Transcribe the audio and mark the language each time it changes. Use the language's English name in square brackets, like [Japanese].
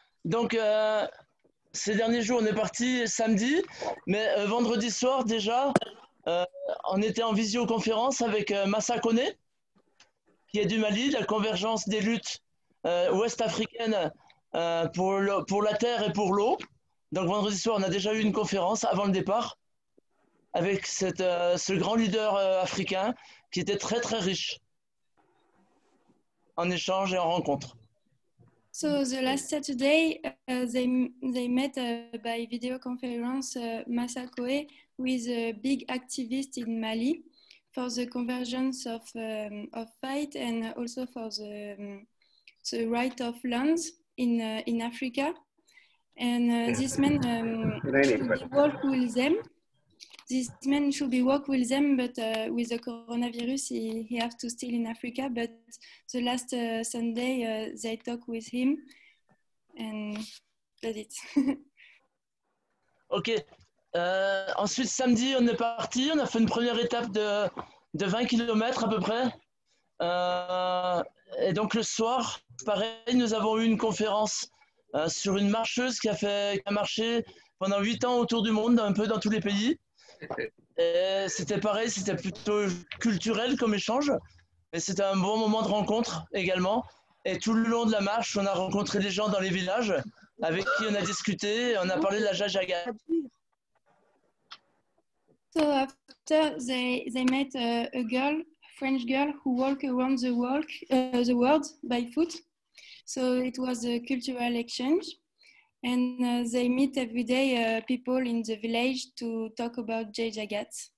[French] Donc, ces derniers jours, on est parti samedi, mais vendredi soir déjà, on était en visioconférence avec Massa Kone, qui est du Mali, la convergence des luttes ouest-africaines pour la terre et pour l'eau. Donc, vendredi soir, on a déjà eu une conférence avant le départ avec ce grand leader africain qui était très, très riche en échange et en rencontre. [English] So, the last Saturday, they met by video conference Massa Kone, who is a big activist in Mali for the convergence of fight and also for the right of lands in Africa. And this man should be work with them, but with the coronavirus, he has to stay in Africa. But the last Sunday, they talk with him, and that's it. [French] Okay. Ensuite, samedi, on est parti. On a fait une première étape de 20 kilomètres à peu près. Et donc le soir, pareil, nous avons eu une conférence. Sur une marcheuse qui a marché pendant 8 ans autour du monde, un peu dans tous les pays. Et c'était pareil, c'était plutôt culturel comme échange. Et c'était un bon moment de rencontre également. Et tout le long de la marche, on a rencontré des gens dans les villages avec qui on a discuté, on a parlé de la Jajaga. [English] So after they met a girl, French girl, who walk around the world by foot. So it was a cultural exchange, and they meet every day people in the village to talk about Jai Jagat.